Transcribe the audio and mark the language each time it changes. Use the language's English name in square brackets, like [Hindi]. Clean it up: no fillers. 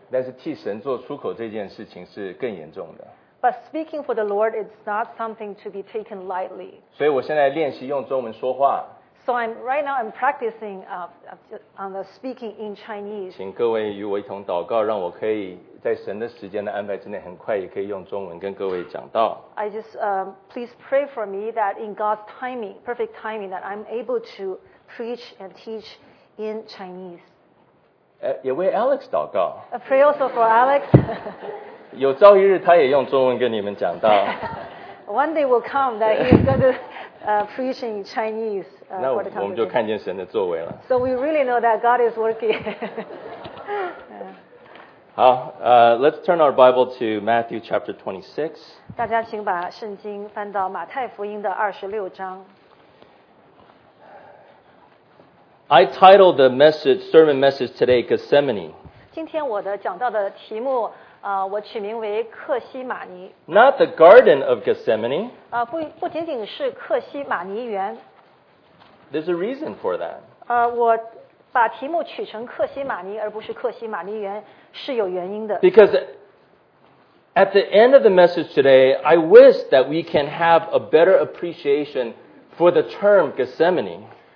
[Chinese] 但是替神做出口这件事情是更严重的。 [English] But speaking for the Lord, it's not something to be taken lightly. [Chinese] 所以我现在练习用中文说话。 [English] So right now I'm practicing on the speaking in Chinese. [Chinese] 请各位与我一同祷告，让我可以在神的时间的安排之内，很快也可以用中文跟各位讲道。 [English] I just please pray for me that in God's timing, perfect timing, that I'm able to preach and teach in Chinese. [Chinese] 也为 Alex 祷告。 [English] I pray also for Alex. [Chinese] 有朝一日，他也用中文跟你们讲道。 [English] One day will come that he's going to preach in Chinese for the conversation. So we really know that God is working. 好, let's turn our Bible to Matthew chapter 26. [Chinese] 大家请把圣经翻到马太福音的26章。 [English] I titled the message, sermon message today, Gethsemane. [Chinese] 今天我的讲到的题目 我取名为克西马尼, [English] not the Garden of Gethsemane. [Chinese] 不仅仅是克西马尼园, [English] there's a reason for that. [Chinese] 我把题目取成克西马尼, 而不是克西马尼园, 是有原因的。 [English] Because at the end of the message today, I wish that we can have a better appreciation for the term Gethsemane.